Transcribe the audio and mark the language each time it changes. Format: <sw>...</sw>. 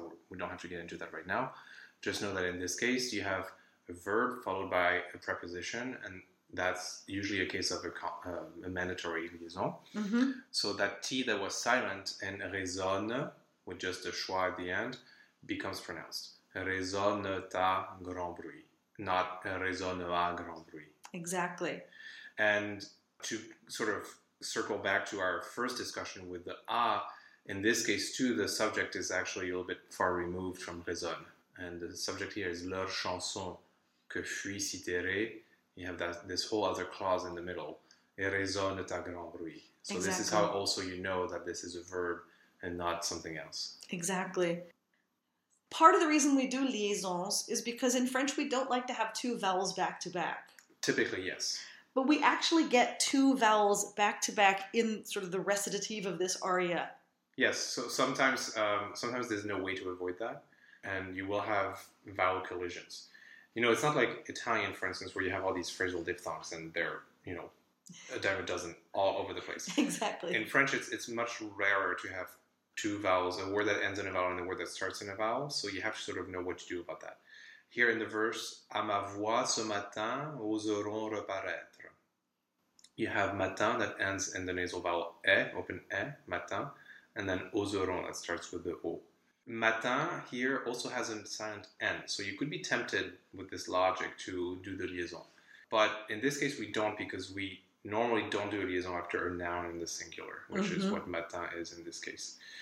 <en>We don't have to get into that right now. Just know that in this case, you have a verb followed by a preposition, and that's usually a case of a mandatory liaison. Mm-hmm. So that T that was silent in résonne, with just a schwa at the end, becomes pronounced.</en> <fr>Résonne ta grand bruit, not résonne à grand bruit.</fr> <en>Exactly. And to sort of circle back to our first discussion with the A, in this case too, the subject is actually a little bit far removed from résonne. And the subject here is leur chanson.</en> <fr>Que fuis citéré,</fr> <en>you have this whole other clause in the middle.</en> <fr>Et résonne ta grand bruit.</fr> <en>So exactly. This is how also you know that this is a verb and not something else. Exactly. Part of the reason we do liaisons is because in French we don't like to have two vowels back to back. Typically, yes. But we actually get two vowels back to back in sort of the recitative of this aria. Yes. So sometimes there's no way to avoid that. And you will have vowel collisions. You know, it's not like Italian, for instance, where you have all these phrasal diphthongs and they're, you know, a dime a dozen all over the place. Exactly. In French, it's much rarer to have two vowels, a word that ends in a vowel and a word that starts in a vowel. So you have to sort of know what to do about that. Here in the verse,</en> <fr>à ma voix ce matin, oserons reparaître.</fr> <en>You have matin that ends in the nasal vowel e, open e, matin, and then oserons that starts with the o. Matin here also has a silent n, so you could be tempted with this logic to do the liaison. But in this case, we don't, because we normally don't do a liaison after a noun in the singular, which mm-hmm. is what matin is in this case.</en>